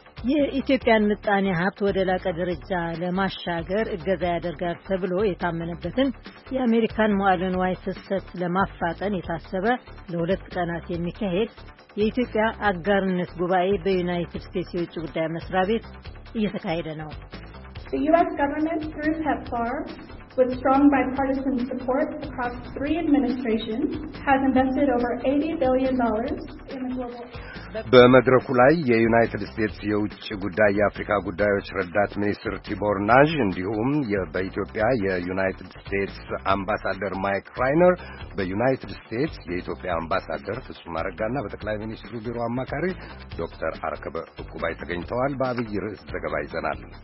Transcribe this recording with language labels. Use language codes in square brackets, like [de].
[am] የኢትዮጵያን ምጣኔ ሀብት ወደ ላቀ ደረጃ ለማሻገር እገዛ ያደርጋል ተብሎ የታመነበትን የአሜሪካን መዋለ ንዋይ ፍሰት ለማፋጠን የታሰበ ለሁለት ቀናት የሚካሄድ የኢትዮጵያ አጋርነት ጉባኤ በዩናይትድ ስቴትስ የውጭ ጉዳይ መስሪያ ቤት እየተካሄደ ነው። [en] The U.S. government through PEPFAR, with strong bipartisan support across three administrations, has invested over $80 billion in the global... [am] በመድረኩ ላይ የዩናይትድ ስቴትስ የውጭ ጉዳይ የአፍሪካ ጉዳዮች ረዳት ሚኒስትር ቲቦር ናዥ እንዲሁም በኢትዮጵያ የዩናይትድ ስቴትስ አምባሳደር ማይክ ራይነር፣ በዩናይትድ ስቴትስ የኢትዮጵያ አምባሳደር ፍጹም አረጋና በጠቅላይ ሚኒስትሩ ቢሮ አማካሪ ዶክተር አርከበ እቁባይ ተገኝተዋል። በአብይ ርዕስ ዘገባ ይዘናል።